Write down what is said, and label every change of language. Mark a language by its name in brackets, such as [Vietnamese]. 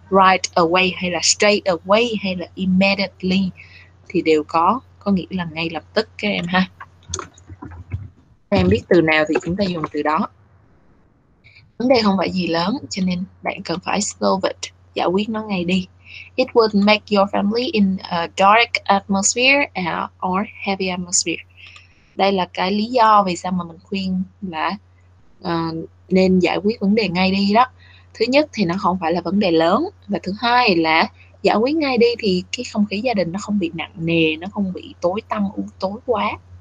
[English] Right away [Vietnamese] hay là [English] straight away [Vietnamese] hay là [English] immediately [Vietnamese] thì đều có nghĩa là ngay lập tức các em ha. Em biết từ nào thì chúng ta dùng từ đó. Vấn đề không phải gì lớn, cho nên bạn cần phải [English] solve it, [Vietnamese] giải quyết nó ngay đi. [English] It would make your family in a dark atmosphere or heavy atmosphere. [Vietnamese] Đây là cái lý do vì sao mà mình khuyên là nên giải quyết vấn đề ngay đi đó. Thứ nhất thì nó không phải là vấn đề lớn, và thứ hai là giải quyết ngay đi thì cái không khí gia đình nó không bị nặng nề, nó không bị tối tăm u tối quá.